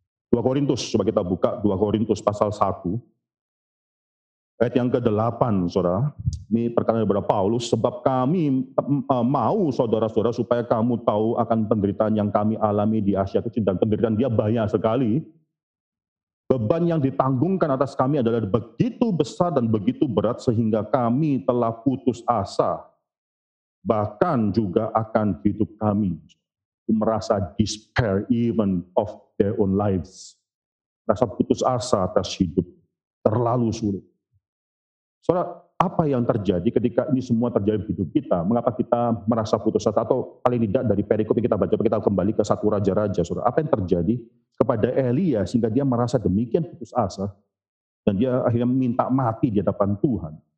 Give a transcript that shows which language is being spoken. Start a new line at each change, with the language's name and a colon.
Indonesian: 2 Korintus, coba kita buka 2 Korintus pasal 1. Ayat yang ke-8, saudara, ini perkataan daripada Paulus, sebab kami mau, saudara-saudara, supaya kamu tahu akan penderitaan yang kami alami di Asia Kecil, dan penderitaan dia banyak sekali. Beban yang ditanggungkan atas kami adalah begitu besar dan begitu berat sehingga kami telah putus asa, bahkan juga akan hidup kami. Merasa
English: despair even of their own lives.
Indonesian: Rasa putus asa atas hidup, terlalu sulit. Saudara, apa yang terjadi ketika ini semua terjadi di hidup kita? Mengapa kita merasa putus asa? Atau paling tidak dari perikop yang kita baca, kita kembali ke satu raja-raja. Saudara, apa yang terjadi kepada Elia sehingga dia merasa demikian putus asa dan dia akhirnya minta mati di hadapan Tuhan?